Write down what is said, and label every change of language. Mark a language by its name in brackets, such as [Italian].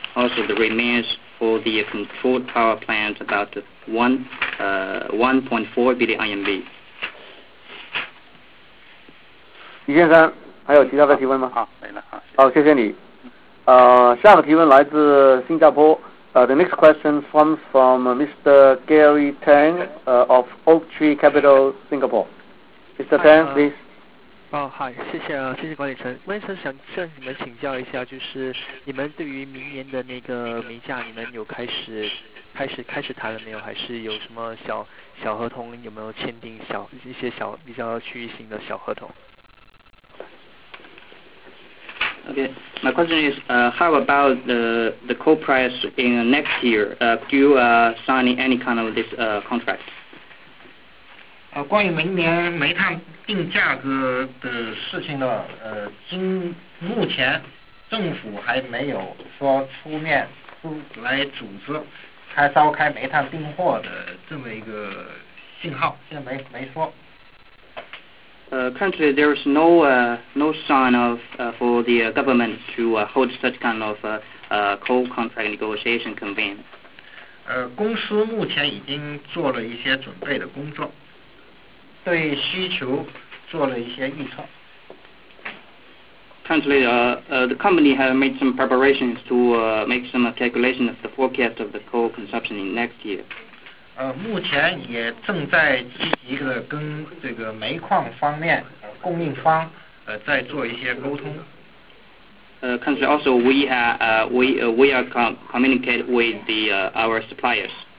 [English] Also, the remains for the controlled power plant about 1.4 billion RMB. [Chinese] 李先生，还有其他的提问吗？好，没了。好，谢谢你。下个提问来自新加坡。 [English] The next question comes from Mr. Gary Tang of Oak Tree Capital, Singapore. Mr. Tang, please. [Chinese] 哦，嗨，谢谢啊，谢谢管理层。我也是想向你们请教一下，就是你们对于明年的那个煤价，你们有开始谈了没有？还是有什么小合同？有没有签订一些比较区域性的小合同？ [English] Okay, my question is, how about the coal price in next year? Could you sign any kind of this contract? [Chinese] 关于明年煤炭定价格的事情呢，目前政府还没有说出来组织开召开煤炭订货的这么一个信号，现在没说。 [English] Currently, there is no sign of for the government to hold such kind of coal contract negotiation convene. [Chinese] 公司目前已经做了一些准备的工作，对需求做了一些预测。 [English] Currently, the company has made some preparations to make some calculation of the forecast of the coal consumption in next year. [Chinese] 目前也正在积极的跟这个煤矿方面供应方在做一些沟通。 [English] Country also we are communicate with the our suppliers.